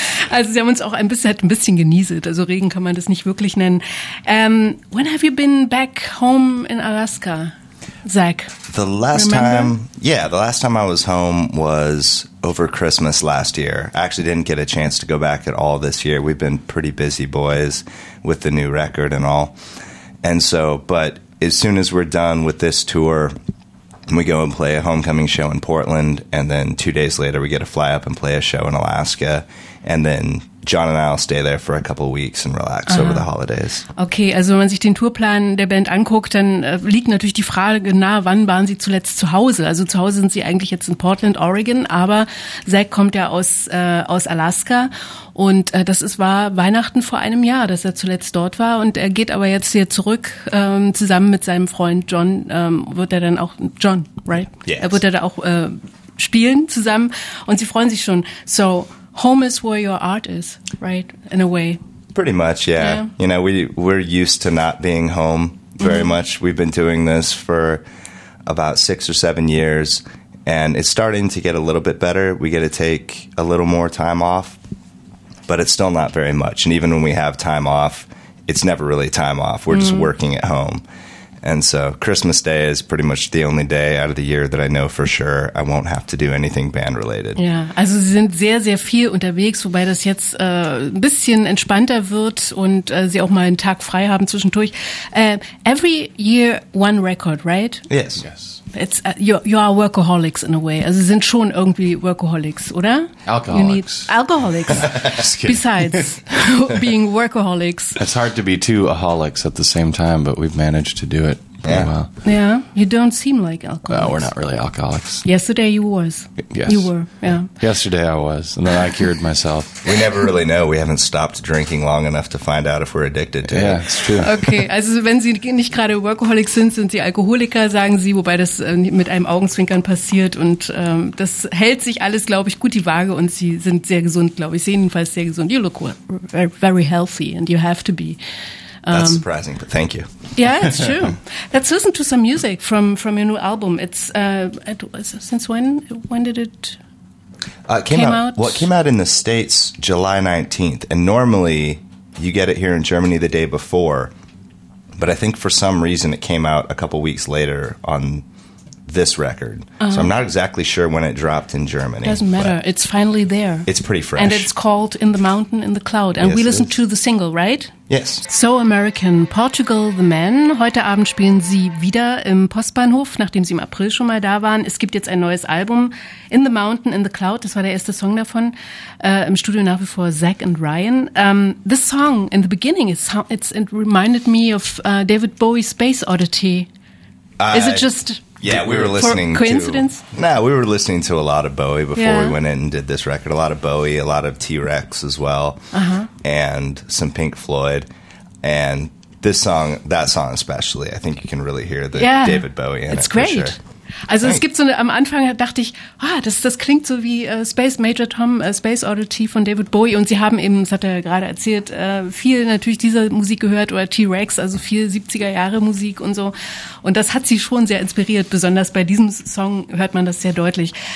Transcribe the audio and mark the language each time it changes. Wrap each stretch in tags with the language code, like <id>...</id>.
<de>Also sie haben uns auch ein bisschen genieselt. Also Regen kann man das nicht wirklich nennen.</de> <en>When have you been back home in Alaska, Zach? The last time I was home was over Christmas last year. I actually didn't get a chance to go back at all this year. We've been pretty busy boys with the new record and all. And so, but as soon as we're done with this tour, we go and play a homecoming show in Portland. And then 2 days later, we get to fly up and play a show in Alaska. And then John and I will stay there for a couple of weeks and relax over the holidays.</en> <de>Okay, also wenn man sich den Tourplan der Band anguckt, dann liegt natürlich die Frage nahe, wann waren Sie zuletzt zu Hause? Also zu Hause sind Sie eigentlich jetzt in Portland, Oregon, aber Zach kommt ja aus Alaska und war Weihnachten vor einem Jahr, dass er zuletzt dort war und er geht aber jetzt hier zurück zusammen mit seinem Freund John. Er wird da auch spielen zusammen und sie freuen sich schon.</de> <en>So, home is where your art is, right? In a way. Pretty much, yeah. You know, we're used to not being home very much. We've been doing this for about 6 or 7 years, and it's starting to get a little bit better. We get to take a little more time off, but it's still not very much. And even when we have time off, it's never really time off. We're just working at home. And so Christmas Day is pretty much the only day out of the year that I know for sure I won't have to do anything band-related.</en> <de>Ja, also Sie sind sehr, sehr viel unterwegs, wobei das jetzt ein bisschen entspannter wird und Sie auch mal einen Tag frei haben zwischendurch.</de> <en>Every year one record, right? Yes. It's you are workaholics in a way.</en> <de>Also Sie sind schon irgendwie workaholics, oder?</de> <en>Alcoholics. Just kidding. Besides being workaholics. It's hard to be two aholics at the same time, but we've managed to do it pretty well. Yeah, you don't seem like alcoholics. Well, we're not really alcoholics. Yesterday you was. Yes. You were, yeah. Yesterday I was, and then I cured myself. We never really know. We haven't stopped drinking long enough to find out if we're addicted to it. Yeah, it's true.</en> <de>Okay, also wenn Sie nicht gerade workaholics sind, sind Sie Alkoholiker, sagen Sie, wobei das mit einem Augenzwinkern passiert. Und das hält sich alles, glaube ich, gut die Waage und Sie sind sehr gesund, glaube ich. Sie sind jedenfalls sehr gesund.</de> <en>You look very healthy and you have to be. That's surprising, but thank you. Yeah, it's true. Let's listen to some music from your new album. It's since when? When did it came out? Well, it came out in the States July 19th, and normally you get it here in Germany the day before, but I think for some reason it came out a couple weeks later on this record. So I'm not exactly sure when it dropped in Germany. Doesn't matter. It's finally there. It's pretty fresh. And it's called In the Mountain, In the Cloud. And yes, we listened to the single, right? Yes. So American, Portugal the Man.</en> <de>Heute Abend spielen sie wieder im Postbahnhof, nachdem sie im April schon mal da waren. Es gibt jetzt ein neues Album, In the Mountain, In the Cloud. Das war der erste Song davon. Im Studio nach wie vor Zach and Ryan.</de> <en>This song in the beginning, it reminded me of David Bowie's Space Oddity. Is it just... Yeah, we were listening coincidence? To... No, we were listening to a lot of Bowie before we went in and did this record. A lot of Bowie, a lot of T-Rex as well, and some Pink Floyd. And this song, that song especially, I think you can really hear the David Bowie in it's it great. Sure.</en> <de>Also es gibt so eine, am Anfang dachte ich, das klingt so wie Space Major Tom, Space Oddity von David Bowie. Und sie haben eben, das hat er gerade erzählt, viel natürlich dieser Musik gehört oder T-Rex, also viel 70er-Jahre-Musik und so. Und das hat sie schon sehr inspiriert, besonders bei diesem Song hört man das sehr deutlich.</de>